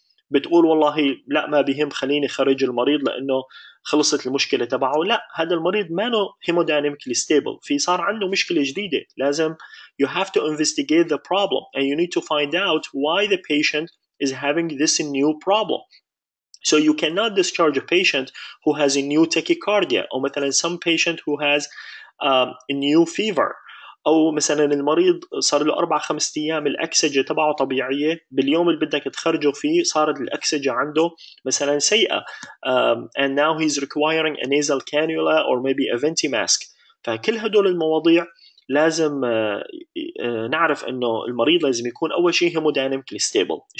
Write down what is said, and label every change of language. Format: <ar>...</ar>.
<ar>بتقول والله لا ما بهم خليني خرج المريض لأنه خلصت المشكلة تبعه، لا، هذا المريض ما له hemodynamically stable، في صار عنده مشكلة جديدة، لازم</ar> <en>you have to investigate the problem and you need to find out why the patient is having this new problem. So you cannot discharge a patient who has a new tachycardia or</en> <ar>مثلا</ar> <en>some patient who has a new fever.</en> <ar>أو مثلاً المريض صار له 4-5 أيام الأكسجة تبعه طبيعية، باليوم اللي بدك تخرجه فيه صارت الأكسجة عنده مثلاً سيئة،</ar> <en>and now he's requiring a nasal cannula or maybe a venti mask.</en> <ar>فكل هدول المواضيع لازم نعرف أنه المريض لازم يكون أول شيء hemodynamically stable.</ar>